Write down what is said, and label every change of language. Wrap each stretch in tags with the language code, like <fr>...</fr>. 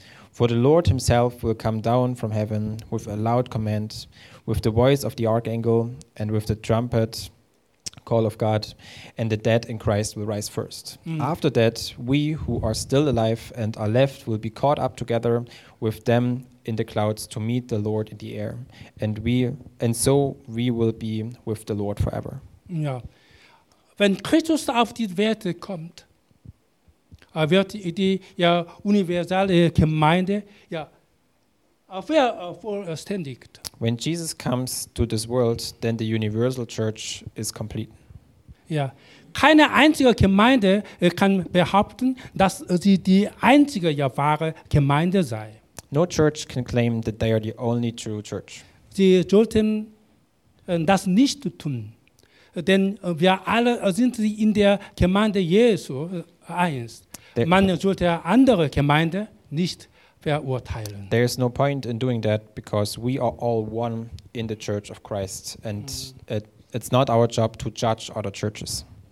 <en>For the Lord himself will come down from heaven with a loud command, with the voice of the archangel, and with the trumpet call of God, and the dead in Christ will rise first. Mm. After that, we who are still alive and are left will be caught up together with them in the clouds to meet the Lord in the air. And so we will be with the Lord forever.</en> <de>Ja. Wenn Christus auf die Welt kommt, wird die ja, universelle Gemeinde ja, vollständig.</de> <en>When Jesus comes to this world, then the universal church is complete.</en> <de>Ja. Keine einzige Gemeinde kann behaupten, dass sie die einzige ja, wahre Gemeinde sei.</de> <en>No church can claim that they are the only true church.</en> <de>Sie sollten das nicht tun, denn wir alle sind in der Gemeinde Jesu eins. Man sollte andere Gemeinde nicht verurteilen.</de> <en>There is no point in doing that because we are all one in the church of Christ and it's not our job to judge other churches.</en>